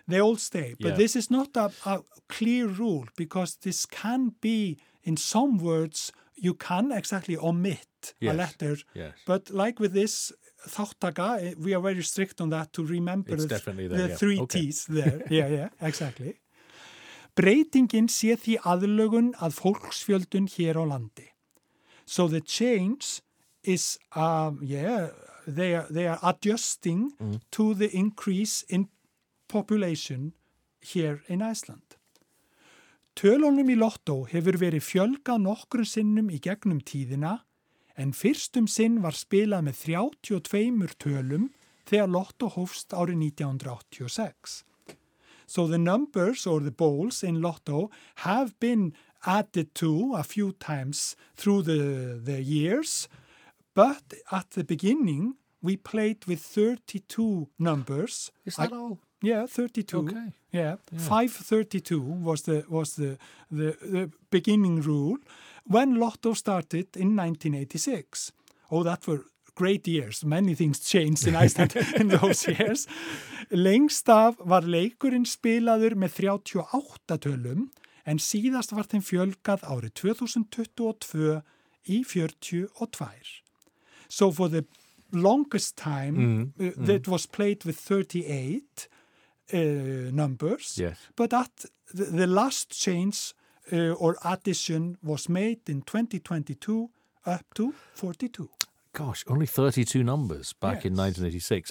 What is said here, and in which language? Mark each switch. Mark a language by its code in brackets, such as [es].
[en] They all stay, but this is not a clear rule, because this can be, in some words, you can exactly omit a letter, but like with this, þáttaka, we are very strict on that to remember it's definitely there, the three T's there. Exactly. [is] Breytingin sé því aðlögun að fólksfjöldun hér á landi. [en] So the change is, they are adjusting to the increase in population here in Iceland. [is] Tölunum í Lotto hefur verið fjölgað nokkrum sinnum í gegnum tíðina, en fyrstum sinn var spilað með 32 tölum þegar Lotto hófst árið 1986. [en] So the numbers or the balls in Lotto have been added to a few times through the years, but at the beginning we played with 32 numbers. Is that all? Yeah, 32. Okay. Yeah. 532 was the beginning rule when Lotto started in 1986. Oh, that were great years. Many things changed in Iceland in those years. [is] Lengst af var leikurinn spilaður með 38 tölum en síðast var þeim fjölgað árið 2022 í 42. [en] So for the longest time, that was played with 38 numbers. Yes. But at the last change or addition was made in 2022 up to 42. Gosh, only 32 numbers back in 1986.